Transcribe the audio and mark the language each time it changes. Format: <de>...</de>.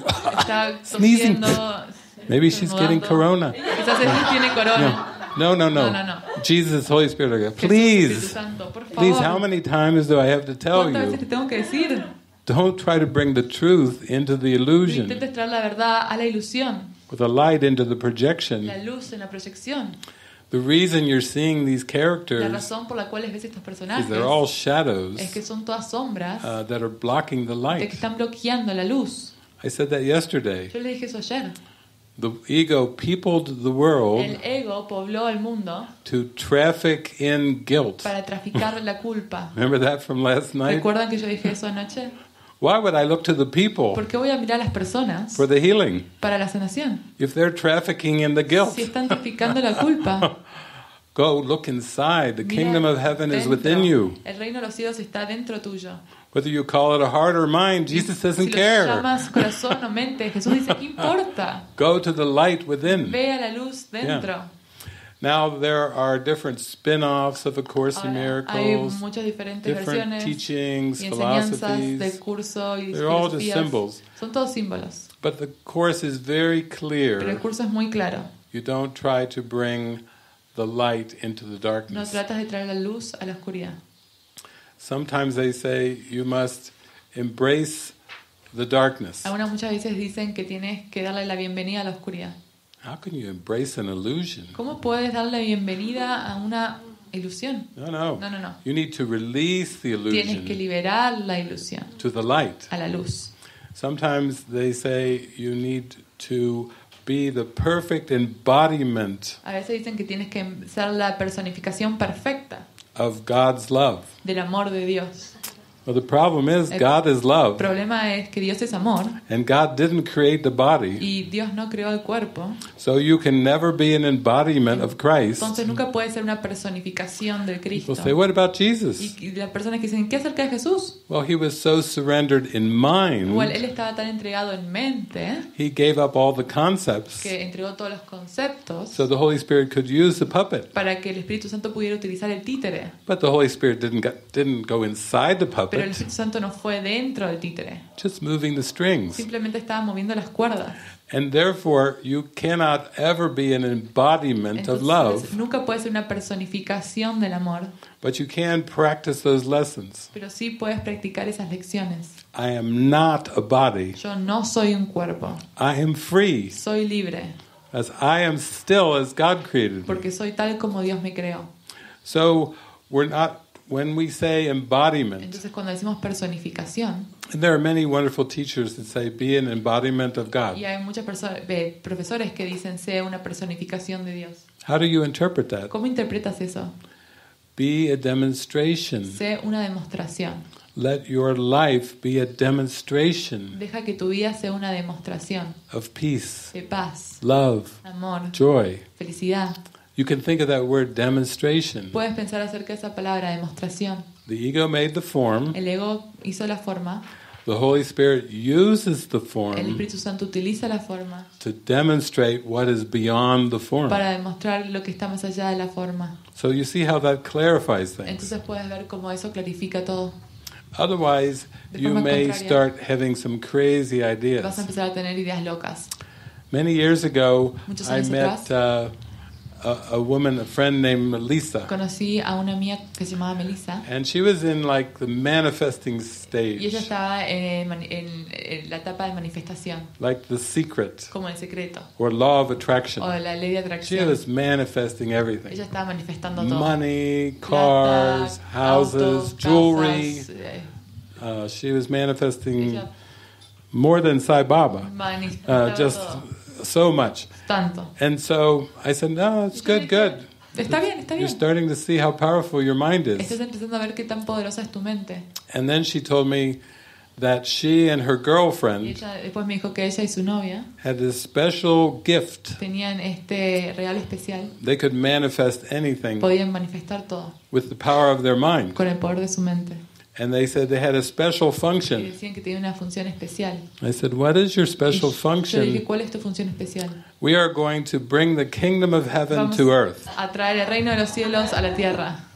<es>Está</es> <en>sneezing. Maybe she's getting corona.</en> <es>Quizás ella tiene corona.</es> <en>No. No, no, no. Jesus, Holy Spirit, please.</en> <es>Santo, por favor.</es> <en>Please, how many times do I have to tell you?</en> <es>¿Cuántas veces te tengo que decir?</es> <en>Don't try to bring the truth into the illusion.</en> <es>No intentes traer la verdad a la ilusión.</es> <en>With the light into the projection.</en> <es>La luz en la proyección.</es> <en>The reason you're seeing these characters,</en> <es>la razón por la cual ves estos personajes,</es> <en>is they're all shadows,</en> <es>es que son todas sombras,</es> <en>that are blocking the light.</en> <es>Que están bloqueando la luz.</es> <en>I said that yesterday.</en> <es>Yo le dije eso ayer.</es> <en>The ego peopled the world.</en> <es>El ego pobló el mundo.</es> <en>To traffic in guilt.</en> <es>Para traficar la culpa.</es> <en>Remember that from last night?</en> <es>¿Recuerdan que yo dije eso anoche?</es> <en>Why would I look to the people?</en> <es>¿Por qué voy a mirar a las personas?</es> <en>For the healing.</en> <es>Para la sanación.</es> <en>If they're trafficking in the guilt.</en> <es>Si están traficando la culpa.</es> <en>Go look inside. The kingdom of heaven</en> <es>dentro.</es> <en>Is within you.</en> <es>El reino de los cielos está dentro tuyo.</es> <en>Whether you call it a heart or mind, Jesus doesn't care.</en> <es>Si lo llamas corazón o mente, Jesús dice, ¿qué importa?</es> <en>Go to the light within.</en> <es>Ve a la luz dentro. Yeah.</es> <en>Now there are different spin-offs of A Course in Miracles.</en> <es>Hay muchas diferentes</es> <en>different</en> <es>versiones,</es> <en>teachings, philosophies.</en> <es>Del curso y</es> <en>they're all just symbols.</en> <es>Son todos símbolos.</es> <en>But the Course is very clear.</en> <es>Pero el curso es muy claro.</es> <en>You don't try to bring the light into the darkness.</en> <es>No tratas de traer la luz a la oscuridad.</es> <en>Sometimes they say you must embrace the darkness.</en> <es>Algunas muchas veces dicen que tienes que darle la bienvenida a la oscuridad.</es> <en>How can you embrace an illusion?</en> <es>¿Cómo puedes darle la bienvenida a una ilusión?</es> <en>No. You need to release the illusion.</en> <es>Tienes que liberar la ilusión.</es> <en>To the light.</en> <es>A la luz.</es> <en>Sometimes they say you need to be the perfect embodiment.</en> <es>A veces dicen que tienes que ser la personificación perfecta.</es> <en>Of God's love.</en> <es>Del amor de Dios.</es> <en>Well, the problem is God is love.</en> <es>El problema es que Dios es amor.</es> <en>And God didn't create the body.</en> <es>Y Dios no creó el cuerpo.</es> <en>So you can never be an embodiment of Christ.</en> <es>Entonces nunca puedes ser una personificación del Cristo.</es> <en>People say, what about Jesus?</en> <es>Y las personas que dicen, ¿qué acerca de Jesús?</es> <en>Well, he was so surrendered in mind.</en> <es>Bueno, él estaba tan entregado en mente.</es> <en>He gave up all the concepts.</en> <es>Que entregó todos los conceptos.</es> <en>So the Holy Spirit could use the puppet.</en> <es>Para que el Espíritu Santo pudiera utilizar el títere.</es> <en>But the Holy Spirit didn't go inside the puppet.</en> <es>Pero el Espíritu Santo no fue dentro del títere.</es> <en>Just moving the strings.</en> <es>Simplemente estaba moviendo las cuerdas.</es> <en>And therefore, you cannot ever be an embodiment</en> <es>Entonces,</es> <en>of love.</en> <es>Nunca puedes ser una personificación del amor.</es> <en>But you can practice those lessons.</en> <es>Pero sí puedes practicar esas lecciones.</es> <en>I am not a body.</en> <es>Yo no soy un cuerpo.</es> <en>I am free.</en> <es>Soy libre.</es> <en>As I am still as God created me.</en> <es>Porque soy tal como Dios me creó.</es> <en>So, we're not. When we say embodiment,</en> <es>entonces cuando decimos personificación,</es> <en>and there are many wonderful teachers that say be an embodiment of God.</en> <es>Y hay muchas profesores que dicen sea una personificación de Dios.</es> <en>How do you interpret that?</en> <es>¿Cómo interpretas eso?</es> <en>Be a demonstration.</en> <es>Sé una demostración.</es> <en>Let your life be a demonstration.</en> <es>Deja que tu vida sea una demostración.</es> <en>Of peace.</en> <es>De paz.</es> <en>Love.</en> <es>Amor.</es> <en>Joy.</en> <es>Felicidad.</es> <en>You can think of that word demonstration.</en> <es>Puedes pensar acerca de esa palabra demostración.</es> <en>The ego made the form.</en> <es>El ego hizo la forma.</es> <en>The Holy Spirit uses the form.</en> <es>El Espíritu Santo utiliza la forma.</es> <en>To demonstrate what is beyond the form.</en> <es>Para demostrar lo que está más allá de la forma.</es> <en>So you see how that clarifies things.</en> <es>Entonces puedes ver cómo eso clarifica todo.</es> <en>Otherwise, you may start having some crazy ideas.</en> <es>Vas a empezar a tener ideas locas.</es> <en>Many years ago, I met a woman, a friend named Melissa.</en> <es>Conocí a una amiga que se llamaba Melissa.</es> <en>And she was in like the manifesting stage.</en> <es>Y ella estaba en la etapa de manifestación.</es> <en>Like the secret.</en> <es>Como el secreto.</es> <en>Or law of attraction.</en> <es>O la ley de atracción.</es> <en>She was manifesting everything.</en> <es>Ella estaba manifestando todo.</es> <en>Money, cars,</en> <es>plata,</es> <en>houses, jewelry.</en> <es>Casas.</es> <en>She was manifesting ella more than Sai Baba. Just todo. So much.</en> <es>Tanto.</es> <en>And so I said, no, it's good, good.</en> <es>Está bien, está bien.</es> <en>You're starting to see how powerful your mind is.</en> <es>Estás empezando a ver qué tan poderosa es tu mente.</es> <en>And then she told me that she and her girlfriend had this special gift.</en> <es>Tenían este regalo especial.</es> <en>They could manifest anything.</en> <es>Podían manifestar todo.</es> <en>With the power of their mind.</en> <es>Con el poder de su mente.</es> <en>And they said they had a special function.</en> <es>Y decían que tenía una función especial.</es> <en>I said, "What is your special function?"</en> <es>Yo dije, ¿cuál es tu función especial?</es> <en>We are going to bring the kingdom of heaven</en> <es>Vamos</es> <en>to earth.</en> <es>A traer el reino de los cielos a la tierra.</es>